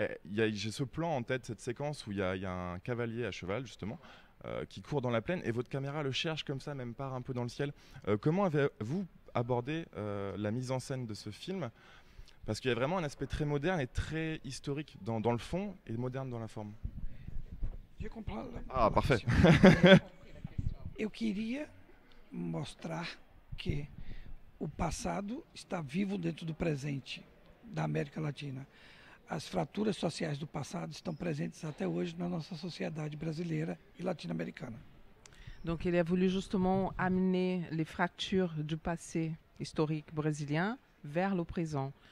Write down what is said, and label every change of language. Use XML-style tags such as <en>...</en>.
<fr>J'ai ce plan en tête, cette séquence où il y a un cavalier à cheval, justement, qui court dans la plaine et votre caméra le cherche comme ça, même part un peu dans le ciel. Comment avez-vous abordé la mise en scène de ce film ? Parce qu'il y a vraiment un aspect très moderne et très historique dans le fond et moderne dans la forme. Je comprends. Ah, parfait.</fr> <pt>Eu queria mostrar que o passado está vivo dentro do presente da América Latina. As fraturas sociais do passado estão presentes até hoje na nossa sociedade brasileira e latino-americana.</pt> <fr>Donc il a voulu justement amener les fractures du passé historique brésilien vers le présent.</fr>